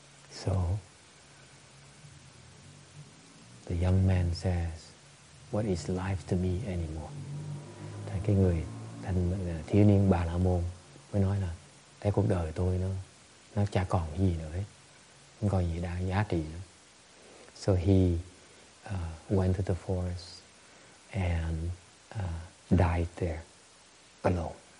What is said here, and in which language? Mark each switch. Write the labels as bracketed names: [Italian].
[English] So the young man says, "What is life to me anymore?" [Vietnamese] Thì cái người thanh thiếu niên Bà La Môn mới nói là cái cuộc đời tôi nó chả còn gì nữa hết, không còn gì đáng giá trị nữa. [English] So he went to the forest and died there alone.